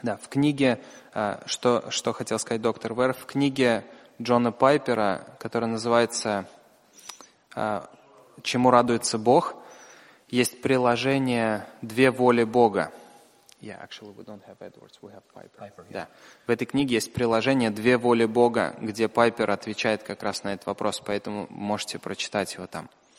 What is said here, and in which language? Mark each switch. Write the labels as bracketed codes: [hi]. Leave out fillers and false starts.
[ru] Да, в книге что хотел сказать доктор Вэр, в книге Джона Пайпера, которая называется «Чему радуется Бог», есть приложение «Две воли Бога». [en] Yeah, actually, we don't have Edwards, we have Piper. Piper, yeah. [ru] Да. В этой книге есть приложение «Две воли Бога», где Пайпер отвечает как раз на этот вопрос, поэтому можете прочитать его там.